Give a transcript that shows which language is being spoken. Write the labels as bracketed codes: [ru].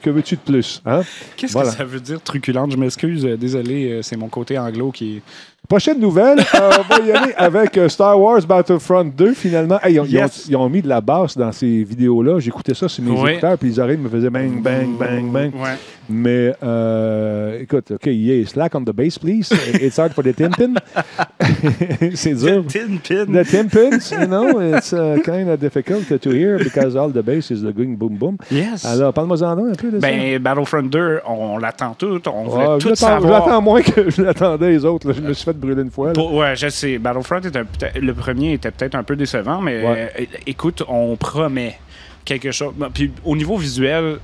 [fr] Que veux-tu de plus? Hein? Qu'est-ce que ça veut dire, truculente? Je m'excuse. Désolé, c'est mon côté anglo qui... Prochaine nouvelle, on va y aller avec Star Wars Battlefront 2, finalement. Hey, ils ont mis de la basse dans ces vidéos-là. J'écoutais ça sur mes écouteurs, puis ils arrivent me faisaient bang, bang, bang, bang. Ouais. Mais, écoute, [en] OK, yeah, slack on the bass, please. It's hard for the tin-pin. [fr] C'est dur. [en] The tin-pin. The tin-pins, you know, it's kind of difficult to hear because all the bass is going boom, boom. Yes. [fr] Alors, parle-moi-en un peu de ça. Ben, Battlefront 2, on l'attend tout, on veut tout savoir. Je l'attends moins que je l'attendais les autres. Là. Je me suis fait brûler une fois. Ouais, je sais. Battlefront, le premier était peut-être un peu décevant, mais écoute, on promet quelque chose. Puis au niveau visuel,